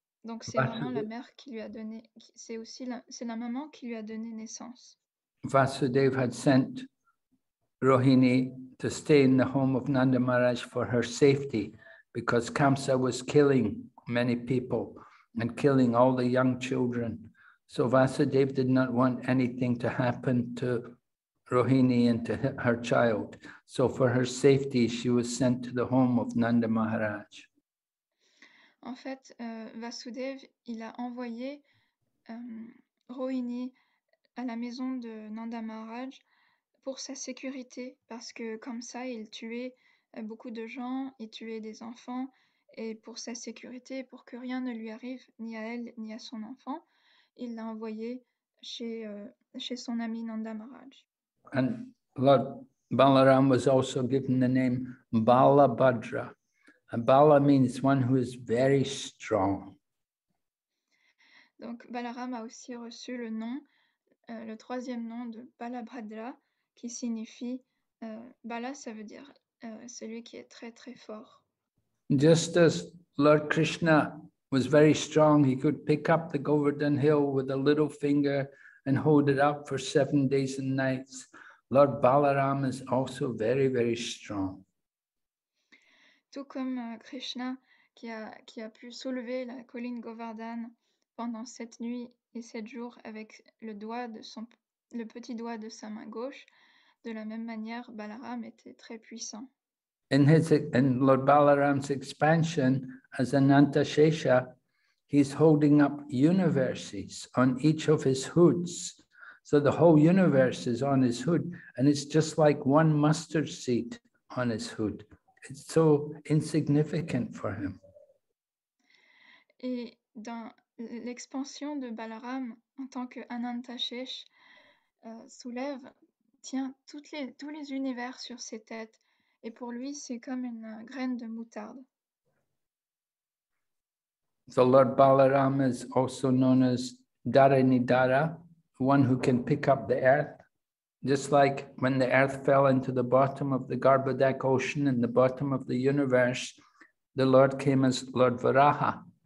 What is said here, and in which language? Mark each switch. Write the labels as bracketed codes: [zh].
[fr] Donc c'est vraiment Vasudev. la mère qui lui a donné, c'est aussi c'est la maman qui lui a donné naissance. [en] Vasudev had sent Rohini to stay in the home of Nanda Maharaj for her safety because Kamsa was killing many people and killing all the young children. So Vasudev did not want anything to happen to Rohini and to her child. So for her safety, she was sent to the home of Nanda Maharaj. [fr] En fait, Vasudev, il a envoyé Rohini à la maison de Nanda Maharaj pour sa sécurité, parce que comme ça, il tuait beaucoup de gens, il tuait des enfants, et pour sa sécurité, pour que rien ne lui arrive, ni à elle, ni à son enfant, il l'a envoyé chez son ami Nanda Maharaj. [en] And Lord Balaram was also given the name Balabhadra. And Bala means one who is very strong. [fr] Donc Balaram a aussi reçu le nom, le troisième nom de Balabhadra, qui signifie, Bala, ça veut dire celui qui est très très fort. [en] Just as Lord Krishna was very strong, he could pick up the Govardhan Hill with a little finger and hold it up for 7 days and nights. Lord Balaram is also very, very strong. [fr] Tout comme Krishna qui a pu soulever la colline Govardhan pendant 7 nuits et 7 jours avec le petit doigt de sa main gauche, de la même manière, Balaram était très puissant. [en] In Lord Balaram's expansion as Ananta Shesha, he's holding up universes on each of his hoods. So the whole universe is on his hood, and it's just like one mustard seed on his hood. It's so insignificant for him. [fr] Et dans l'expansion de Balaram, en tant que Ananta Shesh, soulève, tient tous les univers sur ses têtes, et pour lui, c'est comme une graine de moutarde. [en] So Lord Balaram is also known as Dharanidhara, one who can pick up the earth, just like when the earth fell into the bottom of the Garbhodak ocean and the bottom of the universe, the Lord came as Lord Varaha.